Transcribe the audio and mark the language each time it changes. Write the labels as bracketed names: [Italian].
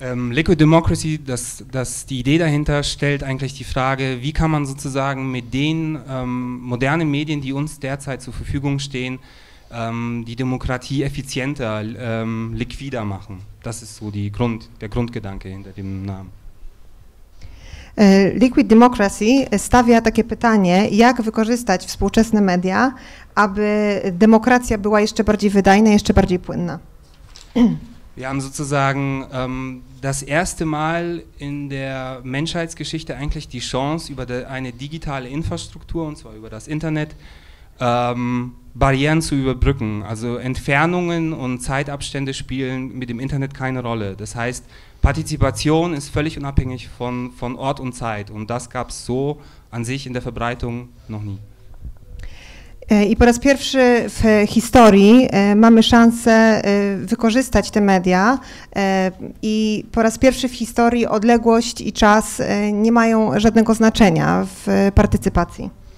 [German] Liquid Democracy, die Idee dahinter stellt eigentlich die Frage, wie kann man sozusagen mit den modernen Medien, die uns derzeit zur Verfügung stehen, die Demokratie effizienter, liquider machen. Das ist so der Grundgedanke hinter dem Namen. [Polish] Liquid Democracy stawia takie pytanie, jak wykorzystać współczesne media, aby demokracja była jeszcze bardziej wydajna, jeszcze bardziej płynna. [German] Wir haben sozusagen das erste Mal in der Menschheitsgeschichte eigentlich die Chance, über eine digitale Infrastruktur, und zwar über das Internet, Barrieren zu überbrücken. Also Entfernungen und Zeitabstände spielen mit dem Internet keine Rolle. Das heißt, Partizipation ist völlig unabhängig von Ort und Zeit. Und das gab es so an sich in der Verbreitung noch nie. [Polish] I po raz pierwszy w historii mamy szansę wykorzystać te media i po raz pierwszy w historii odległość i czas nie mają żadnego znaczenia w partycypacji.